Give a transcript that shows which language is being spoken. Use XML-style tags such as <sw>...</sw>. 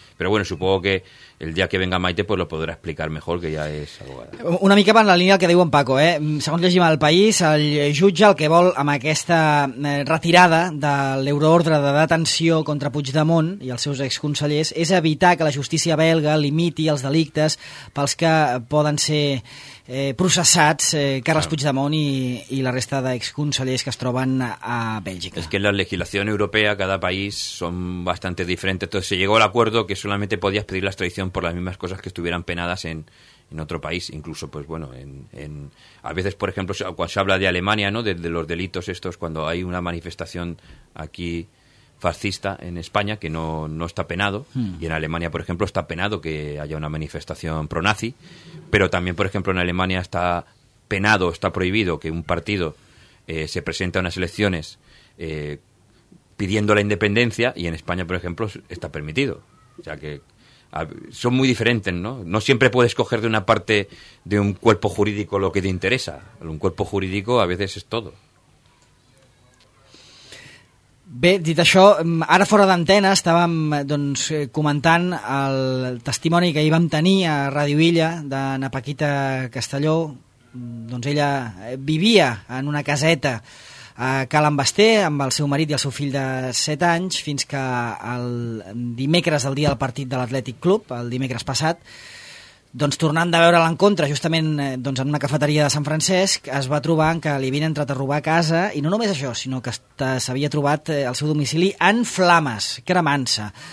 <es>Pero bueno, supongo que el día que venga Maite pues lo podrá explicar mejor,</es> <ca>que ja és</ca> <es>abogada.</es> <ca>Una mica va en la línia del que diu en Paco, eh? Segons llegim al País, el jutge el que vol amb aquesta retirada de l'euroordre de detenció contra Puigdemont i els seus exconsellers és evitar que la justícia belga limiti els delictes pels que poden ser processats Carles claro. Puigdemont i la resta d'exconsellers que es troben a Bèlgica.</ca> <es>Es que en la legislació europea cada país són bastante diferents. Entonces se llegó al acuerdo que solamente podías pedir la extradición por las mismas cosas que estuvieran penadas en otro país, incluso pues bueno, en a veces por ejemplo cuando se habla de Alemania, ¿no? De los delitos estos cuando hay una manifestación aquí fascista en España que no está penado y en Alemania por ejemplo está penado que haya una manifestación pronazi, pero también por ejemplo en Alemania está penado, está prohibido que un partido se presente a unas elecciones pidiendo la independencia, y en España, por ejemplo, está permitido. O sea que son muy diferentes, ¿no? No siempre puedes coger de una parte de un cuerpo jurídico lo que te interesa. Un cuerpo jurídico a veces es todo.</es> <ca>Bé, dit això, ara fora d'antena estàvem doncs, comentant el testimoni que hi vam tenir a Ràdio Illa de na Paquita Castelló. Doncs ella vivia en una caseta a Cal en Basté, amb el seu marit i el seu fill de 7 anys, fins que el dimecres, el dia del partit de l'Atlètic Club, el dimecres passat, doncs tornant de veure l'encontre justament doncs, en una cafeteria de Sant Francesc, es va trobar que li havien entrat a robar a casa, i no només això, sinó que s'havia trobat al seu domicili en flames, cremant-se.</ca>